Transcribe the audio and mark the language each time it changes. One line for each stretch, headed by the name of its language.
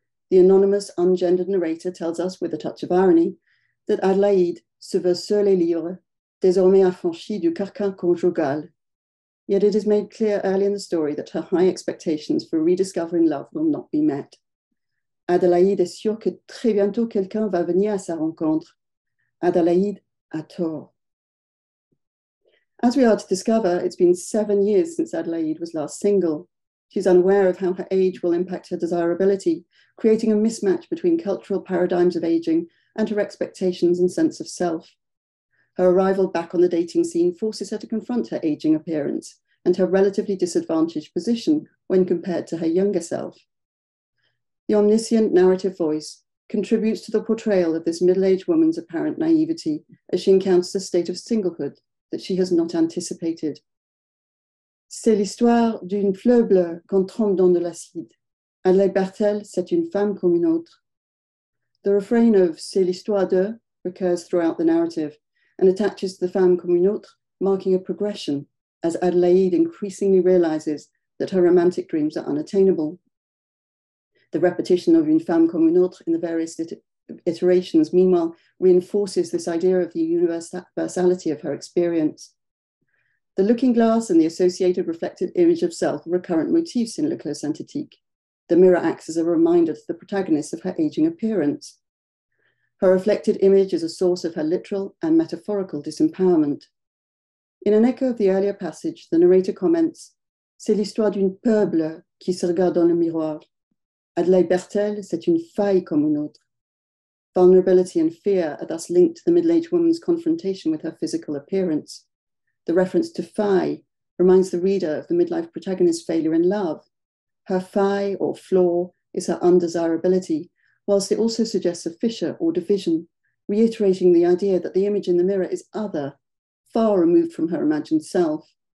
English: The anonymous, ungendered narrator tells us, with a touch of irony, that
French: Adelaide se veut seule et libre, désormais affranchie du carcan conjugal.
English: Yet it is made clear early in the story that her high expectations for rediscovering love will not be met.
French: Adelaide est sûre que très bientôt quelqu'un va venir à sa rencontre. Adelaide a tort.
English: As we are to discover, it's been 7 years since Adelaide was last single. She's unaware of how her age will impact her desirability, creating a mismatch between cultural paradigms of aging and her expectations and sense of self. Her arrival back on the dating scene forces her to confront her aging appearance and her relatively disadvantaged position when compared to her younger self. The omniscient narrative voice contributes to the portrayal of this middle-aged woman's apparent naivety as she encounters a state of singlehood that she has not anticipated.
French: C'est l'histoire d'une fleur bleue qu'on trempe dans de l'acide. Adelaide Bertel, c'est une femme comme une autre.
English: The refrain of
French: c'est l'histoire de
English: recurs throughout the narrative and attaches to the
French: femme comme une autre,
English: marking a progression as Adelaide increasingly realizes that her romantic dreams are unattainable. The repetition of
French: une femme comme une autre
English: in the various iterations, meanwhile, reinforces this idea of the universality of her experience. The looking glass and the associated reflected image of self are recurrent motifs in Le Coeur Synthétique. The mirror acts as a reminder to the protagonist of her aging appearance. Her reflected image is a source of her literal and metaphorical disempowerment. In an echo of the earlier passage, the narrator comments,
French: c'est l'histoire d'une peur bleue qui se regarde dans le miroir. Adelaide Bertel, c'est une faille comme une autre.
English: Vulnerability and fear are thus linked to the middle-aged woman's confrontation with her physical appearance. The reference to faille reminds the reader of the midlife protagonist's failure in love. Her phi or flaw is her undesirability, whilst it also suggests a fissure or division, reiterating the idea that the image in the mirror is other, far removed from her imagined self.